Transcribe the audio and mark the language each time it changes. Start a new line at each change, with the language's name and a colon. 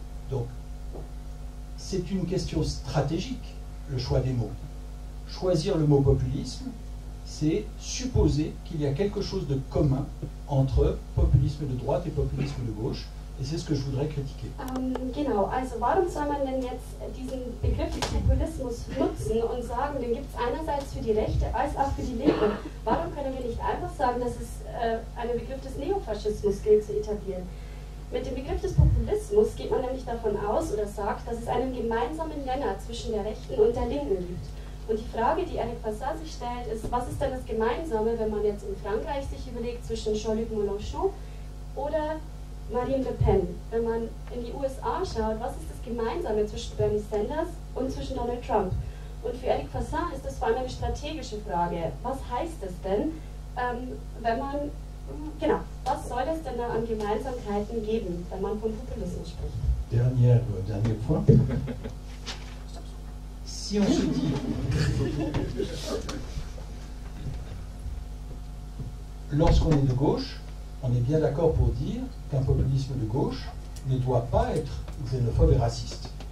French: Donc, c'est une question stratégique, le choix des mots. Choisir le mot populisme, c'est supposer qu'il y a quelque chose de commun entre populisme de droite et populisme de gauche, et c'est ce que je voudrais critiquer.
German: Genau, also warum soll man denn jetzt diesen Begriff des Populismus nutzen und sagen, den gibt es einerseits für die Rechte als auch für die Linke? Warum können wir nicht einfach sagen, dass es einen Begriff des Neofaschismus gilt zu etablieren? Mit dem Begriff des Populismus geht man nämlich davon aus oder sagt, dass es einen gemeinsamen Nenner zwischen der Rechten und der Linken gibt. Und die Frage, die Eric Passat sich stellt, ist, was ist denn das Gemeinsame, wenn man jetzt in Frankreich sich überlegt, zwischen Jean-Luc Mélenchon oder Marine Le Pen? Wenn man in die USA schaut, was ist das Gemeinsame zwischen Bernie Sanders und zwischen Donald Trump? Und für Eric Passat ist das vor allem eine strategische Frage. Was heißt es denn, wenn man, genau, was soll es denn da an Gemeinsamkeiten geben, wenn man von Populismus spricht?
French: Dernier point. Si on se dit, lorsqu'on est de gauche, on est bien d'accord pour dire qu'un populisme de gauche ne doit pas être xénophobe et raciste.